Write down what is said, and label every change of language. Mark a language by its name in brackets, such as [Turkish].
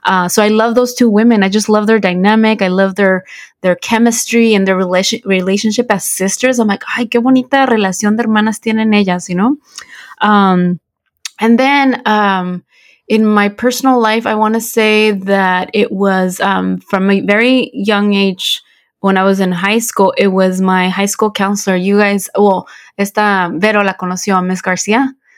[English] So I love those two women. I just love their dynamic. I love their chemistry and their relationship as sisters. I'm like, [Spanish] ay, qué bonita relación de hermanas tienen ellas, [English] you know. And then in my personal life, I want to say that it was from a very young age. When I was in high school, it was my high school counselor. You guys, well, [Spanish] esta Vero la conoció, [English] Miss Garcia.